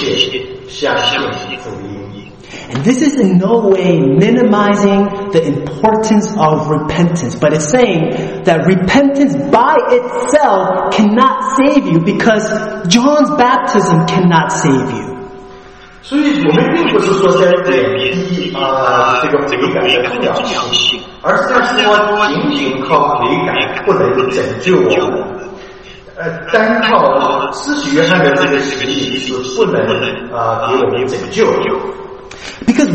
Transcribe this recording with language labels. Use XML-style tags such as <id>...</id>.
<zh>所以当耶稣来出来施工的时候，那约翰就退到后面去，那我们也不再这个悔改了。那我们应该做什么呢？我们应该悔改，并且相信福音。</zh> <en>And this is in no way minimizing the importance of repentance, but it's saying that repentance by itself cannot save you because John's baptism cannot save you.</en> <zh>所以我们并不是说在贬低这个悔改的重要性，而是要说仅仅靠悔改不能拯救我们，单靠施洗约翰的这个洗礼是不能给我们拯救。</zh> <en>Because</en>